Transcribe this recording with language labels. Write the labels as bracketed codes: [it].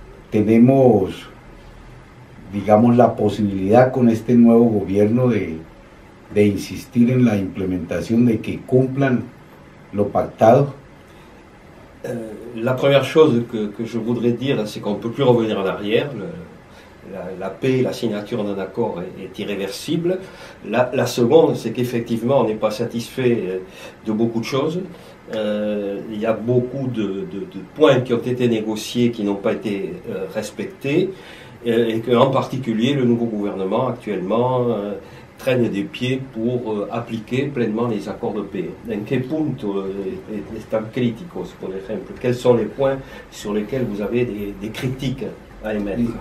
[es] Tenemos, digamos, la posibilidad con este nuevo gobierno de insistir en la implementación de que cumplan lo pactado. [fr] La première chose que je voudrais dire, c'est qu'on ne peut plus revenir en arrière. La paix, la signature d'un accord est irréversible. La seconde, c'est qu'effectivement, on n'est pas satisfait de beaucoup de choses. Il y a beaucoup de points qui ont été négociés qui n'ont pas été respectés. Et qu'en particulier, le nouveau gouvernement actuellement traîne des pieds pour appliquer pleinement les accords de paix. [es] En quel punto están críticos, por ejemplo? [fr] Quels sont les points sur lesquels vous avez des critiques à émettre?